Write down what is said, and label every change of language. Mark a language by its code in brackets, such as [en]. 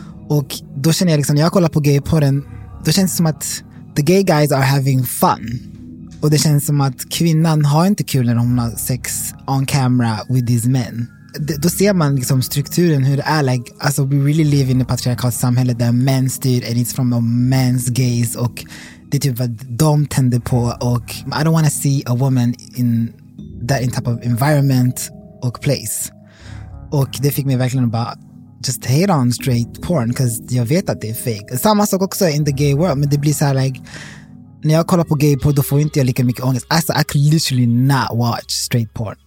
[sv] Och då känner jag liksom, när jag kollar på gay porren, då känns det som att [en] the gay guys are having fun. [sv] Och det känns som att kvinnan har inte kul när hon har sex [en] on camera with these men. [sv] Då ser man liksom strukturen, hur det är. [en] Like, alltså, we really live in a patriarchal [sv] samhälle där män styr [en] and it's from a man's gaze. [sv] Och det är typ vad de tänder på. [en] Och I don't want to see a woman in that in type of environment och place. [sv] Och det fick mig verkligen att bara [en] just hate on straight porn, because [sv] jag vet att det är fake. Samma sak också [en] in the gay world, [sv] men det blir så här, like, när jag kollar på gay porn då får inte jag lika mycket ångest. [en] Alltså, I could literally not watch straight porn.